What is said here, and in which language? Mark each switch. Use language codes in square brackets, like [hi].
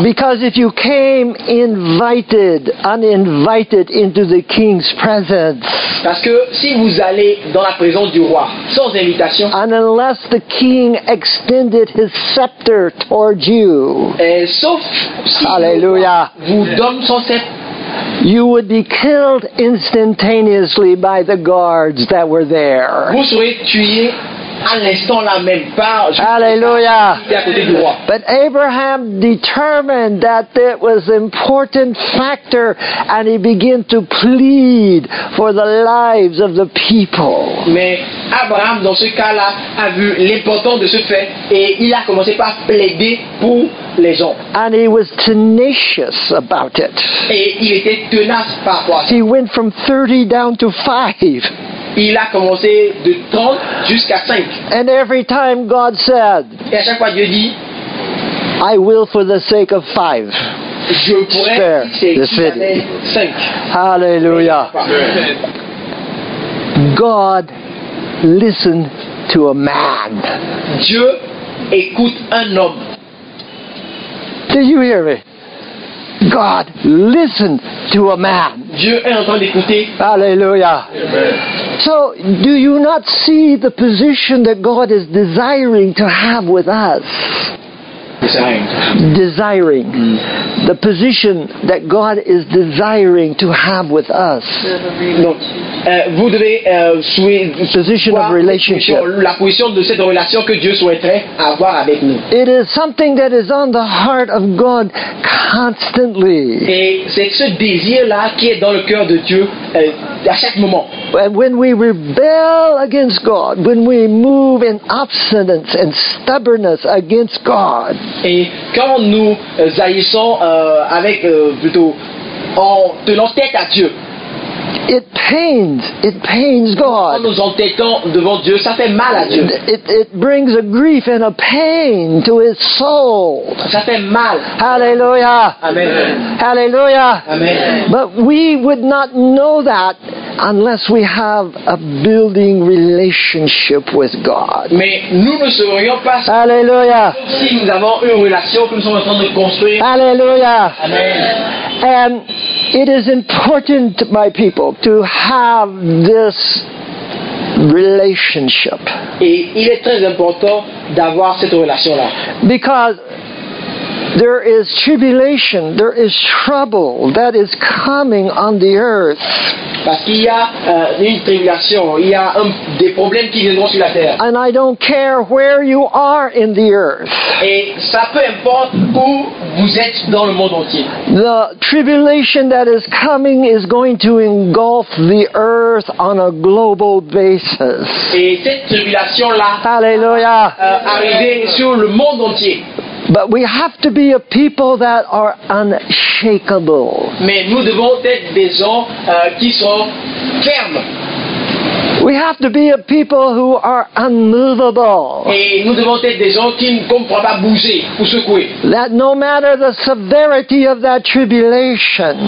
[en] Because if you came invited, uninvited into the king's presence. [fr] Parce que si vous allez dans la présence du roi sans invitation. [en] And unless the king extended his scepter toward you. [fr] Et sauf si Alléluia. Vous donne son scepter. [en] You would be killed instantaneously by the guards that were there. [fr] Vous seriez tué à l'instant là même par. Alléluia. À côté du roi. [en] But Abraham determined that it was an important factor, and he began to plead for the lives of the people. [fr] Mais Abraham, dans ce cas-là, a vu l'importance de ce fait, et il a commencé par plaider pour. [en] And he was tenacious about it. [fr] Et il était tenace par quoi? [en] He went from 30 down to 5. [fr] Il a commencé de 30 jusqu'à 5. [en] And every time God said, [fr] et à chaque fois Dieu dit, [en] I will for the sake of 5. [fr] Je pourrais [en] spare the city. [fr] 5. [en] Hallelujah. God listened to a man. [fr] Dieu écoute un homme. [en] Do you hear me? God listened to a man. [fr] Dieu est en train d'écouter. [en] Hallelujah. So, do you not see the position that God is desiring to have with us? Desiring. Mm. The position that God is desiring to have with us. [fr] Donc, vous devez [en] position of relationship. [fr] La position de cette relation que Dieu souhaiterait avoir avec nous. [en] It is something that is on the heart of God constantly. [fr] Et c'est ce désir-là qui est dans le cœur de Dieu à chaque moment. [en] And when we rebel against God, when we move in obstinance and stubbornness against God, [fr] et quand nous haïssons avec plutôt en tenant tête à Dieu, [en] it pains God. [fr] Quand nous entêtons devant Dieu, ça fait mal à Dieu. It brings a grief and a pain to his soul. Ça fait mal. [en] Hallelujah. Amen. Hallelujah. Amen. But we would not know that unless we have a building relationship with God. [fr] Mais nous ne serions pas. [en] Hallelujah. [fr] Si nous avons une relation que nous sommes en train de construire. [en] Hallelujah. Amen. And it is important, my people, to have this relationship. [fr] Et il est très important d'avoir cette relation-là. [en] Because There is tribulation, there is trouble that is coming on the earth. [fr] Parce qu'il y a une tribulation, il y a des problèmes qui viendront sur la terre. [en] And I don't care where you are in the earth. [fr] Et ça peu importe où vous êtes dans le monde entier. [en] The tribulation that is coming is going to engulf the earth on a global basis. [fr] Et cette tribulation là, [en] hallelujah, [fr] arriver sur le monde entier. [en] But we have to be a people that are unshakable. [fr] Mais nous devons être des gens qui sont fermes. [en] We have to be a people who are unmovable. [fr] Et nous devons être des gens qui ne comprennent pas bouger ou secouer. [en] That no matter the severity of that tribulation,